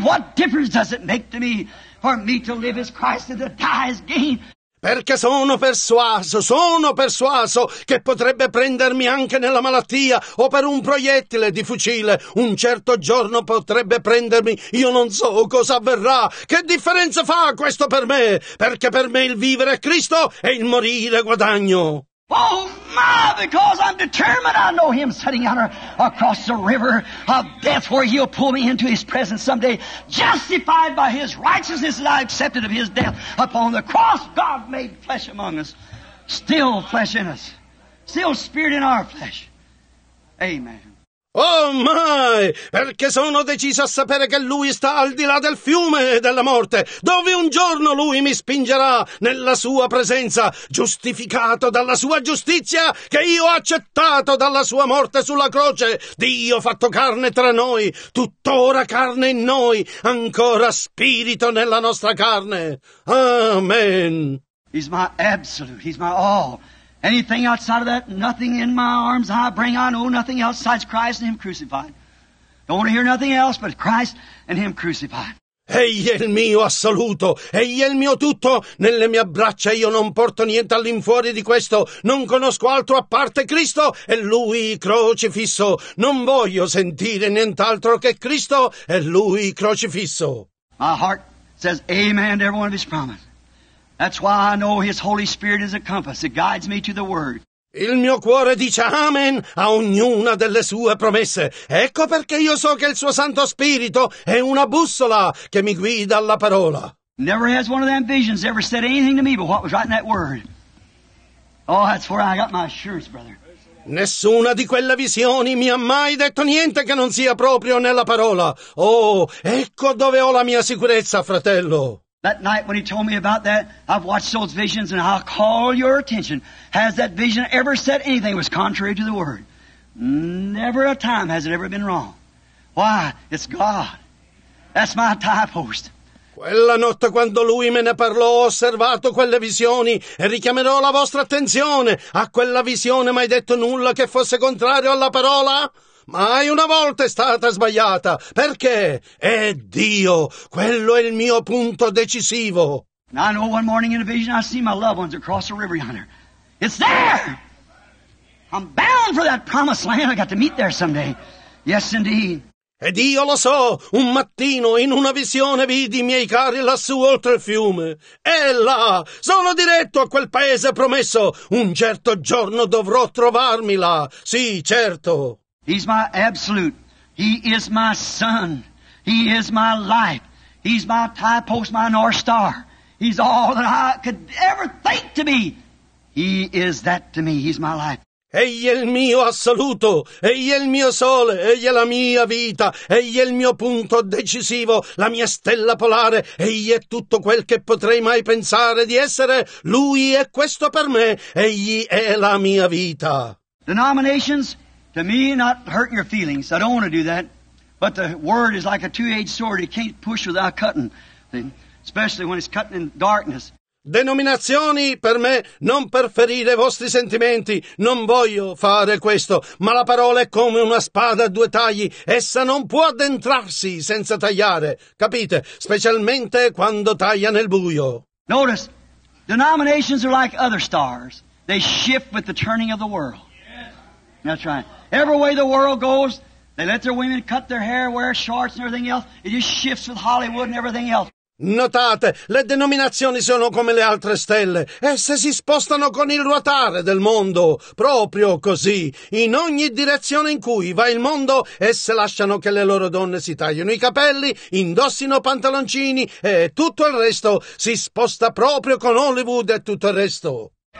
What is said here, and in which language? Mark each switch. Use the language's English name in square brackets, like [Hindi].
[English] What difference does it make to me? For me to live is Christ and to die is gain. [Italian] Perché sono persuaso che potrebbe prendermi anche nella malattia o per un proiettile di fucile. Un certo giorno potrebbe prendermi, io non so cosa avverrà. Che differenza fa questo per me? Perché per me il vivere è Cristo e il morire guadagno. [English] Oh my, because I'm determined. I know him setting out across the river of death where he'll pull me into his presence someday, justified by his righteousness that I accepted of his death upon the cross. God made flesh among us, still flesh in us, still spirit in our flesh. Amen. [Italian] Oh mai, perché sono deciso a sapere che lui sta al di là del fiume e della morte, dove un giorno lui mi spingerà nella sua presenza, giustificato dalla sua giustizia che io ho accettato dalla sua morte sulla croce. Dio fatto carne tra noi, tuttora carne in noi, ancora spirito nella nostra carne. Amen. [English] He's my absolute, he's my all. Anything outside of that, nothing in my arms I bring. I know nothing outside Christ and Him crucified. Don't want to hear nothing else but Christ and Him crucified. [Italian] Egli è il mio assoluto, egli è il mio tutto. Nelle mie braccia io non porto niente all'infuori di questo. Non conosco altro a parte Cristo e Lui crocifisso. Non voglio sentire nient'altro che Cristo e Lui crocifisso. [English] My heart says amen to every one of His promises. That's why I know His Holy Spirit is a compass that guides me to the Word. [Italian] Il mio cuore dice amen a ognuna delle sue promesse. Ecco perché io so che il suo Santo Spirito è una bussola che mi guida alla parola. [English] Never has one of them visions ever said anything to me but what was right in that Word. Oh, that's where I got my assurance, brother. [Italian] Nessuna di quelle visioni mi ha mai detto niente che non sia proprio nella parola. Oh, ecco dove ho la mia sicurezza, fratello. [English] That night when he told me about that, I've watched those visions and I'll call your attention. Has that vision ever said anything that was contrary to the Word? Never a time has it ever been wrong. Why? It's God. That's my type host. [Italian] Quella notte quando lui me ne parlò, ho osservato quelle visioni e richiamerò la vostra attenzione. A quella visione mai detto nulla che fosse contrario alla parola? Mai una volta è stata sbagliata. Perché? È Dio. Quello è il mio punto decisivo. [English] Now I know one morning in a vision I see my loved ones across the river yonder. It's there! I'm bound for that promised land. I got to meet there someday. Yes, indeed. [Italian] Ed io lo so. Un mattino in una visione vidi i miei cari lassù oltre il fiume. E là! Sono diretto a quel paese promesso. Un certo giorno dovrò trovarmi là. Sì, certo. [English] He's my absolute. He is my son. He is my life. He's my tie post, my North Star. He's all that I could ever think to be. He is that to me. He's my life. [Italian] Egli è il mio assoluto. Egli è il mio sole. Egli è la mia vita. Egli è il mio punto decisivo. La mia stella polare. Egli è tutto quel che potrei mai pensare di essere. Lui è questo per me. Egli è la mia vita. [English] Denominations. To me, not hurting your feelings. I don't want to do that. But the Word is like a two-edged sword. It can't push without cutting. Especially when it's cutting in darkness. [Italian] Denominazioni, per me, non per ferire i vostri sentimenti. Non voglio fare questo. Ma la parola è come una spada a due tagli. Essa non può addentrarsi senza tagliare. Capite? Specialmente quando taglia nel buio. [English] Notice, denominations are like other stars. They shift with the turning of the world. That's right. Every way the world goes, they let their women cut their hair, wear shorts and everything else. It just shifts with Hollywood and everything else. [Italian] Notate, le denominazioni sono come le altre stelle. Esse si spostano con il ruotare del mondo. Proprio così. In ogni direzione in cui va il mondo, esse lasciano che le loro donne si tagliano i capelli, indossino pantaloncini e tutto il resto si sposta proprio con Hollywood e tutto il resto.